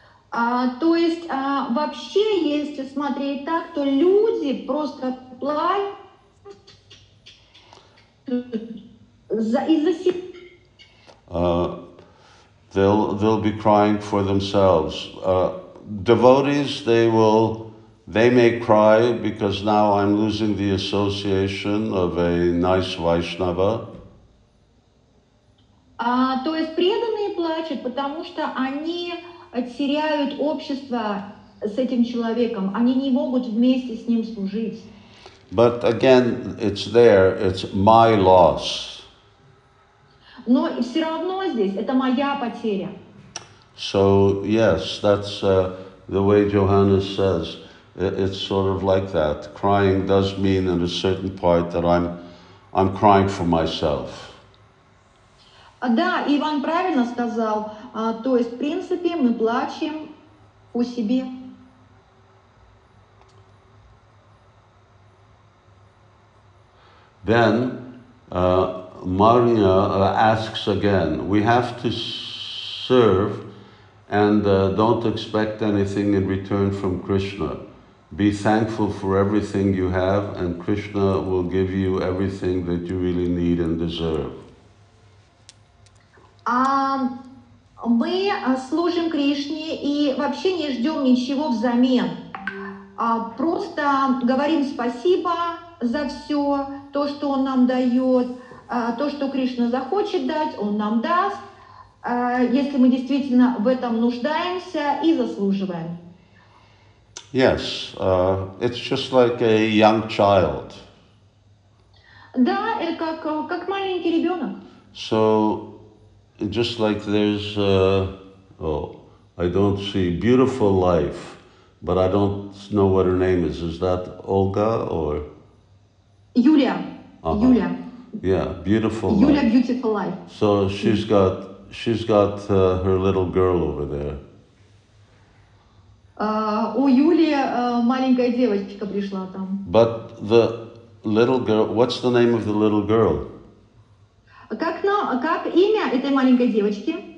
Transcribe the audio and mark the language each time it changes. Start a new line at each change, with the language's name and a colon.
Russian: То есть вообще, если смотреть так, то люди просто плачут из-за себя.
English: They'll be crying for themselves. Devotees, they may cry because now I'm losing the association of a nice Vaishnava.
Russian: То есть преданные плачут, потому что они теряют общество с этим человеком. Они не могут вместе с ним служить.
English: But again, it's there. It's my loss.
Russian: Но все равно здесь это моя потеря.
English: So yes, that's the way Johannes says. It's sort of like that. Crying does mean in a certain part that I'm crying for myself.
Russian: Да, Иван правильно сказал. То есть, в принципе, мы плачем о себе.
English: Then Maria asks again, we have to serve and don't expect anything in return from Krishna. Be thankful for everything you have, and Krishna will give you everything that you really need and deserve.
Russian: Мы служим Кришне и вообще не ждем ничего взамен. Просто говорим спасибо за все, то, что он нам дает, то, что Кришна захочет дать, он нам даст, если мы действительно в этом нуждаемся и заслуживаем.
English: Yes, it's just like a young child.
Russian: Да, это как маленький ребенок.
English: So, just like there's, I don't see beautiful life, but I don't know what her name is. Is that Olga or?
Russian: Юлия. Uh-huh. Юлия.
English: Yeah, beautiful. Юлия, beautiful life. So she's got her little girl over there.
Russian: У Юлии маленькая девочка пришла там.
English: But the little girl, what's the name of the little girl?
Russian: Как имя этой маленькой девочки?